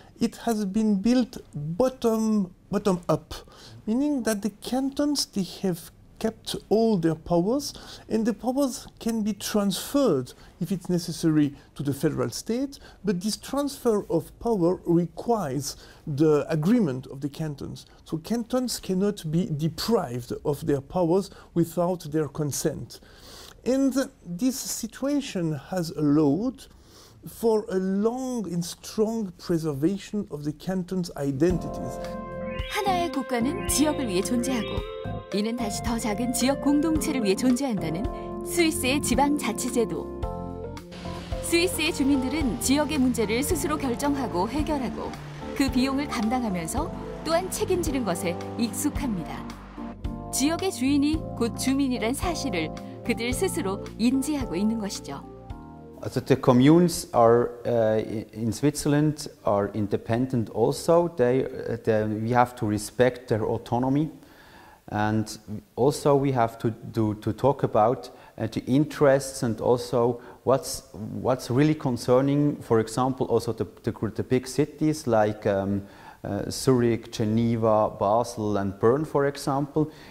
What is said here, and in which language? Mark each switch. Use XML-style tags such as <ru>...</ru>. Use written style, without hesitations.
<en>It has been built bottom up, meaning that the cantons, they have kept all their powers, and the powers can be transferred if it's necessary to the federal state, but this transfer of power requires the agreement of the cantons. So cantons cannot be deprived of their powers without their consent. And this situation has allowed for a long and strong preservation of the cantons' identities.</en> <ko>하나의 국가는 지역을 위해 존재하고 이는 다시 더 작은 지역 공동체를 위해 존재한다는 스위스의 지방자치제도. 스위스의 주민들은 지역의 문제를 스스로 결정하고 해결하고 그 비용을 감당하면서 또한 책임지는 것에 익숙합니다. 지역의 주인이 곧 주민이란 사실을 그들 스스로 인지하고 있는 것이죠.</ko> <en>So the communes in Switzerland are independent also. We have to respect their autonomy. And also we have to talk about the interests and also what's really concerning, for example, also the big cities like Zurich, Geneva, Basel and Bern, for example.</en>